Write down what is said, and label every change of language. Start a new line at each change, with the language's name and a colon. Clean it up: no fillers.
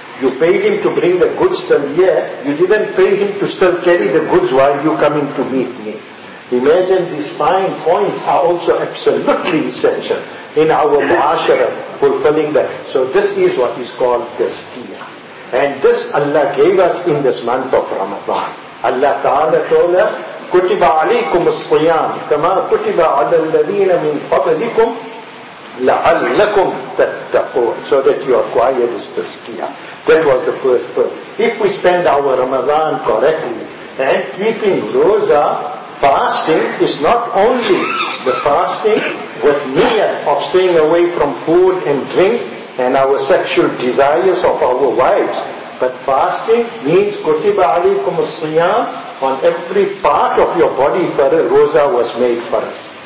English: You paid him to bring the goods till here, you didn't pay him to still carry the goods while you coming to meet me. Imagine these fine points are also absolutely essential in our mu'ashara, fulfilling that. So this is what is called tazkiyah. And this Allah gave us in this month of Ramadan. Allah Ta'ala told us,
Arabic: كُتِبَ عَلَيْكُمُ الصِّيَامِ كَمَا كُتِبَ عَلَى الَّذِينَ مِنْ قَبْلِكُمْ لَعَلَّكُمْ تَتَّقُونَ.
English: So that you acquire this tazkiyah. That was the first verse. If we spend our Ramadan correctly and keeping roza, fasting is not only the fasting with niyyah of staying away from food and drink and our sexual desires of our wives, but fasting means
Arabic: kutiba alaykum as-siyam
English: on every part of your body for a roza was made for us.